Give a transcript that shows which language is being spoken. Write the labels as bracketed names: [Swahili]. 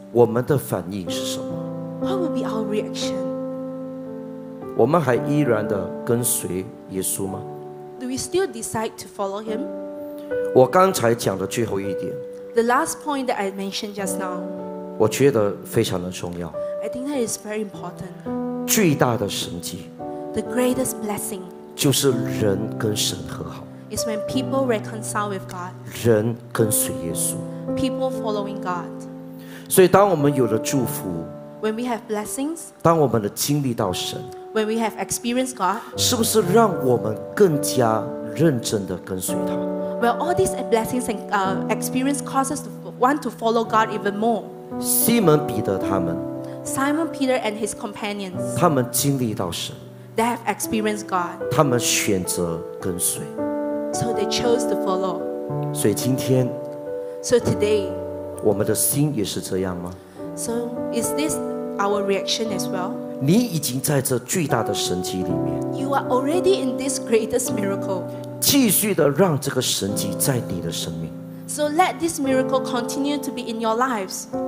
[Chinese] 我们的反应是什么？ [English] What will be our reaction? [Chinese] 我们还依然的跟随耶稣吗？ [English] Do we still decide to follow him? [Chinese] 我刚才讲的最后一点。 [English] The last point that I mentioned just now. [Chinese] 我觉得非常的重要。 [English] I think that is very important. [Chinese] 最大的神迹。 [English] The greatest blessing. [Chinese] 就是人跟神和好。 [English] Is when people reconcile with God. [Chinese] 人跟随耶稣。 [English] People following God. [Chinese] 所以当我们有了祝福。 [English] When we have blessings. [Chinese] 当我们的经历到神。 [English] When we have experienced God, [Chinese] 是不是让我们更加认真地跟随他？ [English] Well, all these blessings and experience causes to want to follow God even more. [Chinese] 西门彼得他们， [English] Simon Peter and his companions, [Chinese] 他们经历到神， [English] they have experienced God. [Chinese] 他们选择跟随， [English] so they chose to follow. [Chinese] 所以今天， [English] so today, [Chinese] 我们的心也是这样吗？ [English] So is this our reaction as well? [Chinese] 你已经在这最大的神迹里面。 [English] You are already in this greatest miracle. [Chinese] 继续的让这个神迹在你的生命。 [English] So let this miracle continue to be in your lives.